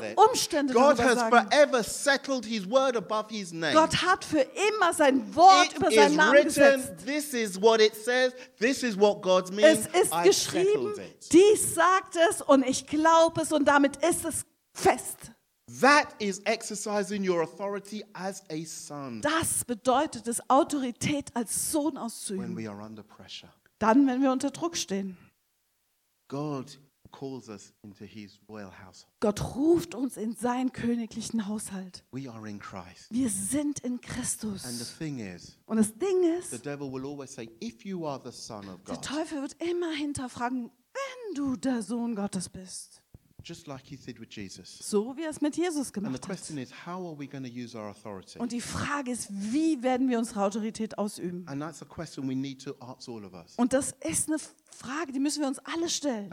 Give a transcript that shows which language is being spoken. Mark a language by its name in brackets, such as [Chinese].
[German] die Umstände [English] God [German] darüber [English] has [German] sagen. [English] Forever settled his word above his name. [German] Gott hat für immer sein Wort [English] it [German] über seinen Namen [English] written, [German] gesetzt. [English] This is what it says. This is what God means. [German] Es ist I've geschrieben. Dies sagt es und ich glaube es und damit ist es fest. [English] That is exercising your authority as a son. [German] Das bedeutet es, Autorität als Sohn auszuüben. [English] When we are under pressure. [German] Dann, wenn wir unter Druck stehen. [English] God calls us into his royal household. [German] Gott ruft uns in seinen königlichen Haushalt. [English] We are in Christ. [German] Wir sind in Christus. [English] And the thing is, [German] und das Ding ist, [English] the devil will always say, if you are the son of God, [German] der Teufel wird immer hinterfragen, wenn du der Sohn Gottes bist. [English] Just like he did with Jesus. [German] So wie er es mit Jesus gemacht [English] and the question [German] hat. [English] Is, how are we going to use our authority? [German] Und die Frage ist, wie werden wir unsere Autorität ausüben? [English] And that's a question we need to ask all of us. [German] Und das ist eine Frage, die müssen wir uns alle stellen.